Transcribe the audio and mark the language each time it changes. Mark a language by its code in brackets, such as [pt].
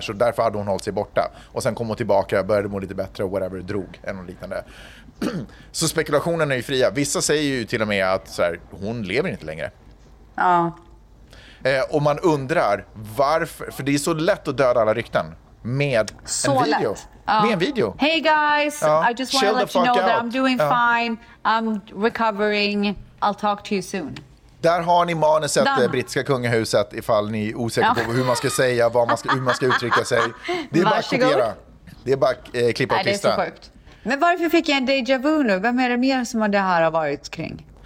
[sv] Så därför hade hon hållit sig borta. Och sen kom hon tillbaka, började må lite bättre och whatever, drog en och liknande. Så spekulationen är ju fria. Vissa säger ju till och med att så här, hon lever inte längre. Ja. Och man undrar varför, för det är så lätt att döda alla rykten med så en video. Lätt. Med en video. [en] Hey guys, I just want to let you know that I'm doing fine. I'm recovering. I'll talk to you soon. [sv] Där har ni manuset, det brittiska kungahuset, ifall ni är osäkra på hur man ska säga, hur man ska uttrycka sig. Det är varsågod. Bara att kopiera. Det är bara klippa och klistra. Det är så sjukt. Men varför fick jag en deja vu nu? Vem är det mer som det här har varit kring?